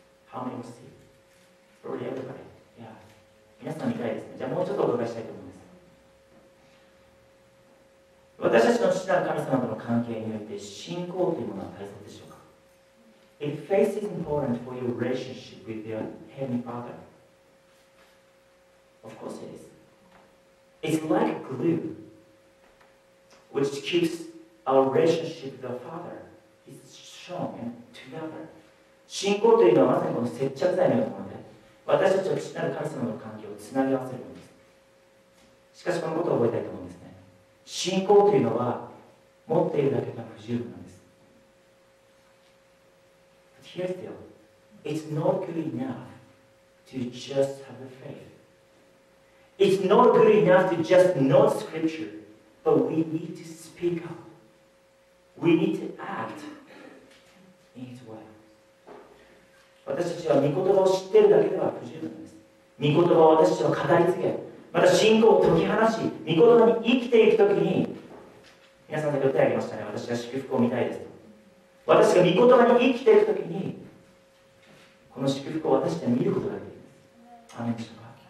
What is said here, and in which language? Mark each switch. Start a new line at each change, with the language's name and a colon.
English: How many of us see? Probably everybody. Yeah.
Japanese: 皆さん見たいですね。じゃあもうちょっとお伺いしたいと思います。私たちの父なる神様との関係において信仰というものは大切でしょうか。
English: If faith is important for your relationship with your heavenly father, of course it is. It's like glue which keeps our relationship with our father. It's strong and together.
Japanese: 信仰というのはまさにこの接着剤のようなもので、私たちの父なる神様との関係をつなぎ合わせるものです。しかしこのことを覚えたいと思うんですね。信仰というのは持っているだけが不十分なんです。
English: But here's the deal. It's not good enough to just have a faith. It's not good enough to just know scripture, but we need to speak up. We need to act in its way.
Japanese: 私たちは御言葉を知っているだけでは不十分です。御言葉を私たちは語り継げ、また信仰を解き放し、御言葉に生きていくときに、皆さんだけ手を挙げましたね、私が祝福を見たいですと。私が御言葉に生きていくときに、この祝福を私たちは見ることができるんです。アメンでしょうか。